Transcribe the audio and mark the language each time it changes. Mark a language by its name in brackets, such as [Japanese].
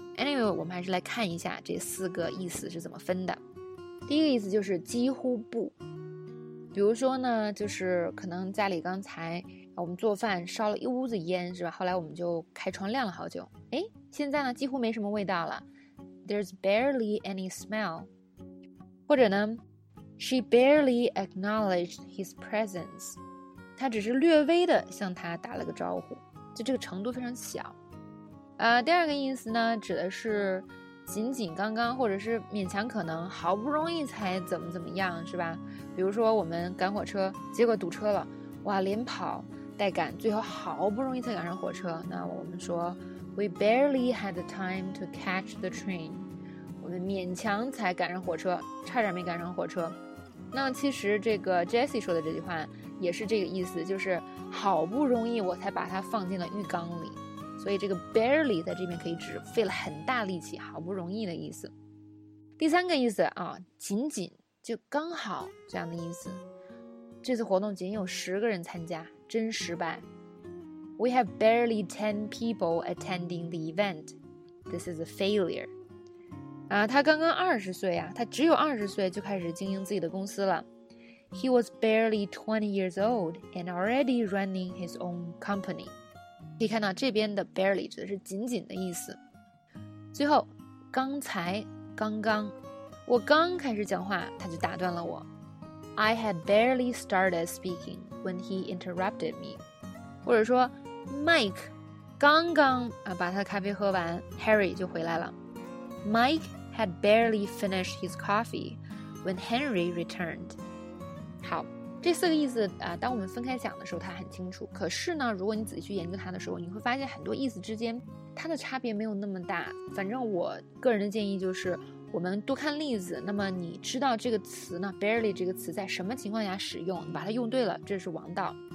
[Chinese] Anyway， 我们还是来看一下这四个意思是怎么分的。第一个意思就是几乎不，比如说呢，就是可能家里刚才我们做饭烧了一屋子烟是吧，后来我们就开窗晾了好久，哎，现在呢几乎没什么味道了， [English] There's barely any smell. [Chinese] 或者呢 [English] She barely acknowledged his presence. [Chinese] 她只是略微的向他打了个招呼，就这个程度非常小。第二个意思呢指的是仅仅刚刚或者是勉强可能，好不容易才怎么怎么样是吧，比如说我们赶火车结果堵车了，哇，连跑带赶最后好不容易才赶上火车，那我们说 [English] We barely had the time to catch the train. [Chinese] 我们勉强才赶上火车，差点没赶上火车。那其实这个 Jesse 说的这句话也是这个意思，就是好不容易我才把它放进了浴缸里。所以这个 barely 在这边可以指费了很大力气，好不容易的意思。第三个意思啊，仅仅就刚好这样的意思。这次活动仅有10个人参加，真失败。 [English] We have barely 10 people attending the event. This is a failure. [Chinese] 他刚刚20岁啊，他只有20岁就开始经营自己的公司了。 [English] He was barely 20 years old and already running his own company. [Chinese] 可以看到这边的 barely 指的是仅仅的意思。最后，刚才，刚刚，我刚开始讲话，他就打断了我。 [English] I had barely started speaking when he interrupted me. [Chinese] 或者说 Mike 刚刚把他的咖啡喝完， Harry 就回来了。 [English] Mike had barely finished his coffee when Henry returned. [Chinese] 好，这四个意思当我们分开讲的时候它很清楚，可是呢如果你仔细去研究它的时候，你会发现很多意思之间它的差别没有那么大。反正我个人的建议就是我们多看例子，那么你知道这个词呢 barely 这个词在什么情况下使用，你把它用对了这是王道。